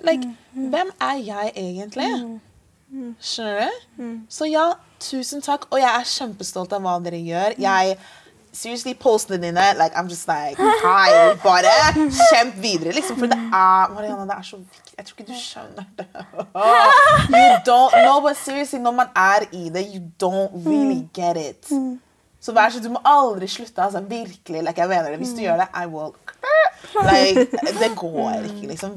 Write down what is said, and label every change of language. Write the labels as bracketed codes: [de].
[no] Like, hvem er jeg egentlig? Skjønner du? Så ja, tusen takk. Og jeg er kjempestolt av hva dere gjør. Jeg, seriously, postene dine, like, [en] I'm just like, hi, [no] bare kjemp videre. Liksom, for det er, Marianne, det er så viktig. Jeg tror ikke du skjønner det. [en] You don't, no, but seriously, [no] når man er i det, [en] you don't really get it. [no] Så vær sånn, du må aldri slutte, altså, virkelig, like, jeg mener det. Hvis du gjør det, [en] I will... [no] Like, det går ikke, liksom.